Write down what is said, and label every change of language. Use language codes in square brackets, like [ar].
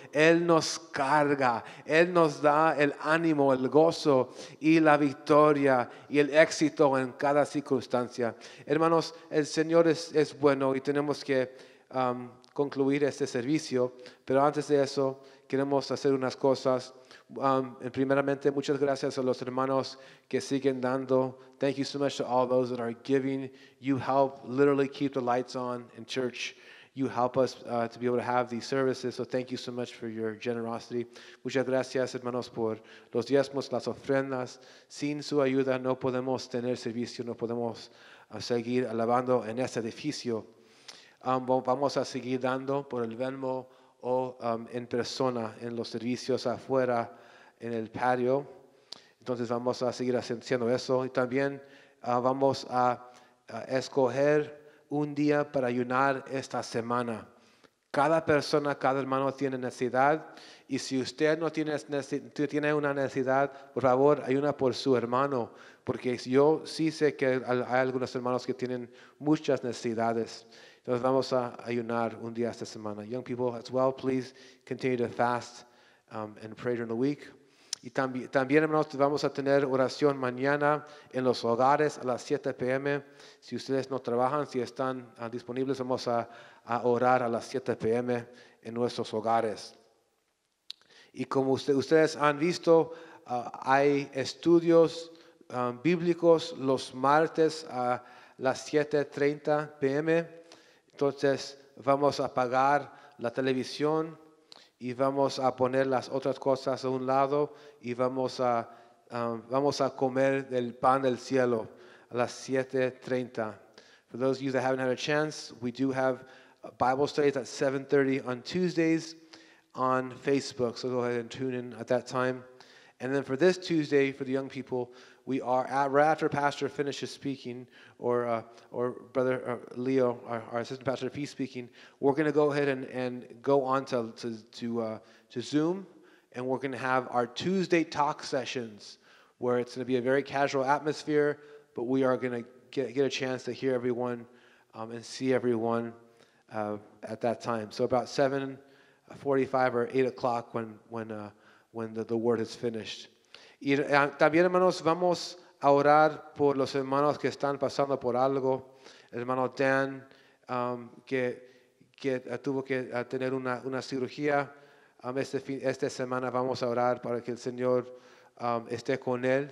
[es] Él nos carga. Él nos da el ánimo, el gozo y la victoria y el éxito en cada circunstancia. Hermanos, el Señor es bueno y tenemos que concluir este servicio, pero antes de eso queremos hacer unas cosas. Primeramente, muchas gracias a los hermanos que siguen dando. [en] Thank you so much to all those that are giving. You help literally keep the lights on in church. You help us to be able to have these services, so thank you so much for your generosity. [es] Muchas gracias, hermanos, por los diezmos, las ofrendas. Sin su ayuda no podemos tener servicio, no podemos seguir alabando en este edificio. Vamos a seguir dando por el Venmo o en persona, en los servicios afuera, en el patio. Entonces vamos a seguir haciendo eso. Y también vamos a escoger un día para ayunar esta semana. Cada persona, cada hermano tiene necesidad. Y si usted no tiene una necesidad, por favor, ayuna por su hermano. Porque yo sí sé que hay algunos hermanos que tienen muchas necesidades. Entonces vamos a ayunar un día esta semana. [en] Young people as well, please continue to fast and pray during the week. [es] Y también hermanos, vamos a tener oración mañana en los hogares a las 7 p.m. Si ustedes no trabajan, si están disponibles, vamos a orar a las 7 p.m. en nuestros hogares. Y como ustedes han visto, hay estudios bíblicos los martes a las 7:30 p.m., entonces, vamos a apagar la televisión y vamos a poner las otras cosas a un lado y vamos a comer del pan del cielo a las 7:30. [en] For those of you that haven't had a chance, we do have Bible studies at 7:30 on Tuesdays on Facebook. So go ahead and tune in at that time. And then for this Tuesday, for the young people, we are at, right after Pastor finishes speaking, or Brother Leo, our assistant pastor, if he's speaking, we're going to go ahead and go on to Zoom, and we're going to have our Tuesday talk sessions, where it's going to be a very casual atmosphere, but we are going to get a chance to hear everyone and see everyone at that time. So about 7:45 or 8 o'clock when the word is finished. [es] Y también, hermanos, vamos a orar por los hermanos que están pasando por algo. Hermano Dan, que tuvo que tener una cirugía esta semana. Vamos a orar para que el Señor esté con él.